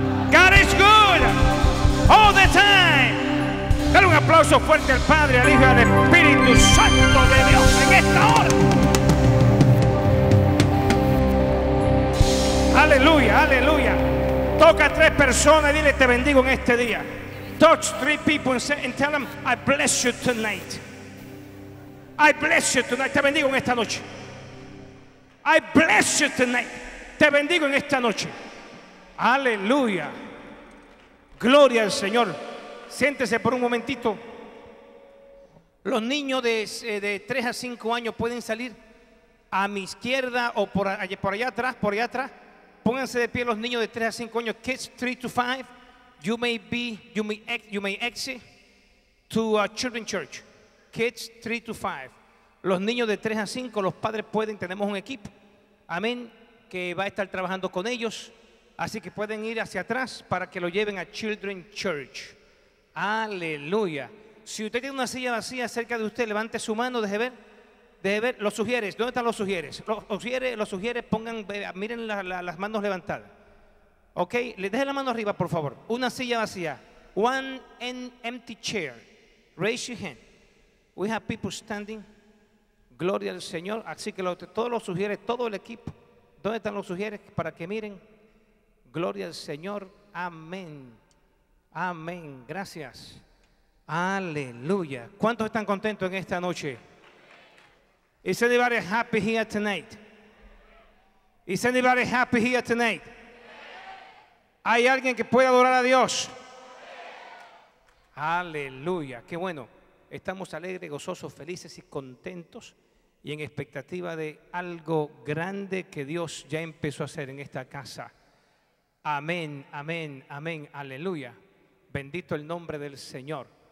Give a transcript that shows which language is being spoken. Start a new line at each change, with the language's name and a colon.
English: God is good all the time.
Spanish: Dale un aplauso fuerte al Padre, al Hijo y al Espíritu Santo de Dios en esta hora. Aleluya, aleluya. Toca a tres personas y dile: te bendigo en este día.
English: Touch three people and say, and tell them, I bless you tonight. I bless you tonight.
Spanish: Te bendigo en esta noche.
English: I bless you tonight.
Spanish: Te bendigo en esta noche. Aleluya. Gloria al Señor. Siéntese por un momentito. Los niños de 3 a 5 años pueden salir a mi izquierda o por allá atrás. Pónganse de pie los niños de 3 a 5 años.
English: Kids 3 to 5. You may exit to a children's church. Kids 3 to 5.
Spanish: Los niños de 3 a 5, los padres pueden, tenemos un equipo, amén, que va a estar trabajando con ellos, así que pueden ir hacia atrás para que lo lleven a Children Church. Aleluya. Si usted tiene una silla vacía cerca de usted, levante su mano, deje ver, los sugieres, ¿dónde están los sugieres? Los sugieres, pongan, miren las manos levantadas, ok, le deje la mano arriba, por favor. Una silla vacía,
English: one empty chair, raise your hand, we have people standing.
Spanish: Gloria al Señor. Así que todos los sugieres, todo el equipo, ¿dónde están los sugieres? Para que miren. Gloria al Señor. Amén. Amén. Gracias. Aleluya. ¿Cuántos están contentos en esta noche?
English: Is anybody happy here tonight? Is anybody happy here tonight?
Spanish: ¿Hay alguien que pueda adorar a Dios? Aleluya. Qué bueno. Estamos alegres, gozosos, felices y contentos. Y en expectativa de algo grande que Dios ya empezó a hacer en esta casa. Amén, amén, amén, aleluya. Bendito el nombre del Señor.